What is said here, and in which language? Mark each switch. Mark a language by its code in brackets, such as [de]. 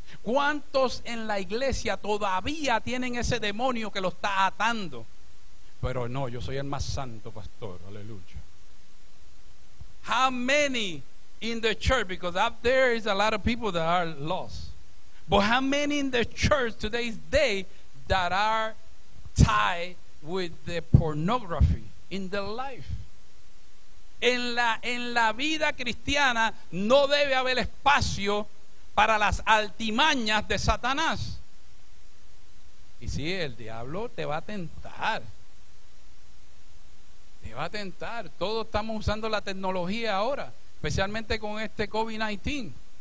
[es] ¿Cuántos en la iglesia todavía tienen ese demonio que lo está atando? Pero no, yo soy el más santo pastor, aleluya. [en] How many in the church, because up there is a lot of people that are lost, but how many in the church today's day that are tied with the pornography in the life? [es] En la vida cristiana no debe haber espacio para las altimañas de Satanás. Y sí, el diablo te va a tentar. Te va a tentar. Todos estamos usando la tecnología ahora, especialmente con este COVID-19.